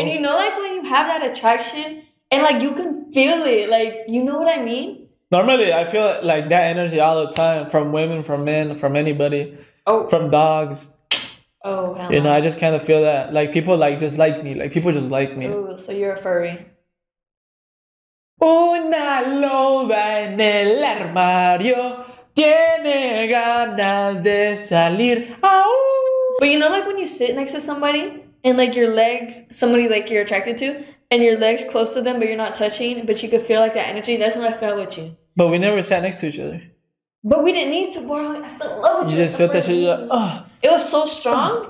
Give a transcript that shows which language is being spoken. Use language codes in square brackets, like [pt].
[en] And you know, like when you have that attraction and like you can feel it, like, you know what I mean? Normally, I feel like that energy all the time from women, from men, from anybody, from dogs. Oh, you know, I just kind of feel that. Like, people, like, just like me. Like, people just like me. Ooh, so you're a furry. [es] Una loba en el armario tiene ganas de salir. [en] But you know, like, when you sit next to somebody and, like, your legs, somebody, like, you're attracted to, and your legs close to them, but you're not touching, but you could feel, like, that energy? That's when I felt with you. But we never sat next to each other. But we didn't need to, bro. I felt loved. You just felt that shit. Like, oh. It was so strong. Oh.